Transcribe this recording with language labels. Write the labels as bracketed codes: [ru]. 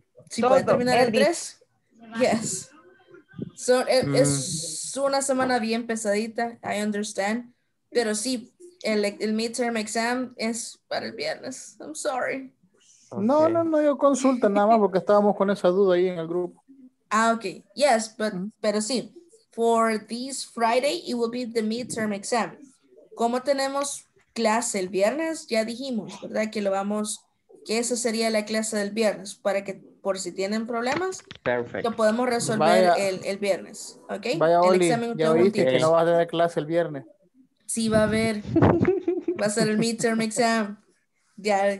[es] Si puede terminar el 3. Yes. So, es una semana bien pesadita, [en] I understand. [es] Pero sí, el midterm exam es para el viernes. [en] I'm sorry. Okay. [es] No, yo consulta nada más porque estábamos con esa duda ahí en el grupo. [en] Ah, okay. Yes, but pero sí. For this Friday, it will be the midterm exam. [es] ¿Cómo tenemos clase el viernes? Ya dijimos, ¿verdad? Que lo vamos, que esa sería la clase del viernes para que, por si tienen problemas, [en] perfect, [es] lo podemos resolver el viernes. ¿Okay? Vaya, el Oli, examen ya viste que no va a tener clase el viernes. Sí, va a haber. Va a ser el midterm exam. Ya,